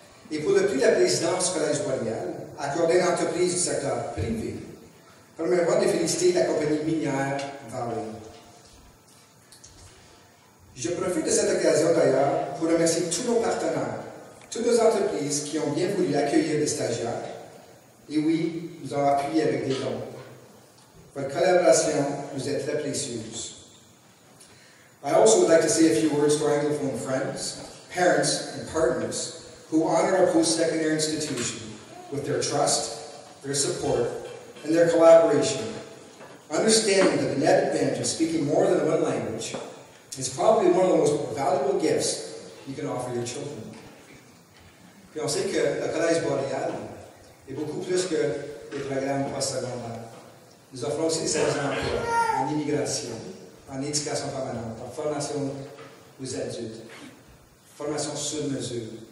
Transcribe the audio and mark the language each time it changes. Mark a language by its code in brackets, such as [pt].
[fr] Et pour le prix de la présidence du Collège Boréal, accordé à l'entreprise du secteur privé, permettez-moi de féliciter la compagnie minière Vale. Je profite de cette occasion d'ailleurs pour remercier tous nos partenaires, toutes nos entreprises qui ont bien voulu accueillir des stagiaires. Et oui, nous avons appuyé avec des dons. Votre collaboration nous est très précieuse. [en] I also would like to say a few words to our Anglophone friends, parents, and partners who honor our post-secondary institution with their trust, their support, and their collaboration. Understanding that the net advantage of speaking more than one language is probably one of the most valuable gifts you can offer your children. [fr] Puis on sait que le Collège Boréal est beaucoup plus que les programmes post-secondaires. Nous offrons aussi des services d'emploi en immigration, en éducation permanente, en formation aux adultes, formation sur mesure.